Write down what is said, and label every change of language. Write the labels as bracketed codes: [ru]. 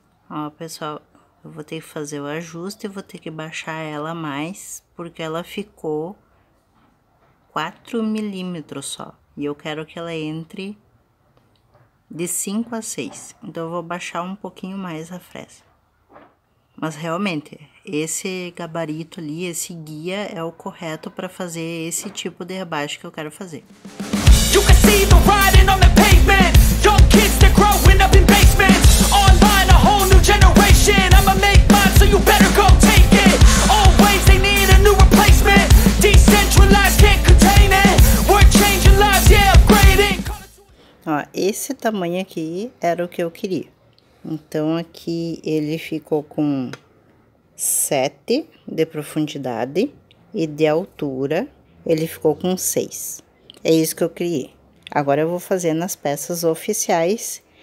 [pt] Ó, pessoal, eu vou ter que fazer o ajuste e vou ter que baixar ela mais, porque ela ficou 4 milímetros só. E eu quero que ela entre de 5 a 6. Então, eu vou baixar um pouquinho mais a fresa. Mas, realmente, esse gabarito ali, esse guia, é o correto para fazer esse tipo de rebaixo que eu quero fazer. [en] You can see the writing on the pavement. Young kids, they're growing up in basements. Online, a whole new generation. I'ma make mine, so you better go take it. Always, they need a new replacement. Decentralized, can't contain it. We're changing lives, yeah, upgrading. [pt] Ó, esse tamanho aqui era o que eu queria. Então, aqui ele ficou com 7 de profundidade e de altura ele ficou com 6. É isso que eu criei. Agora eu vou fazer nas peças oficiais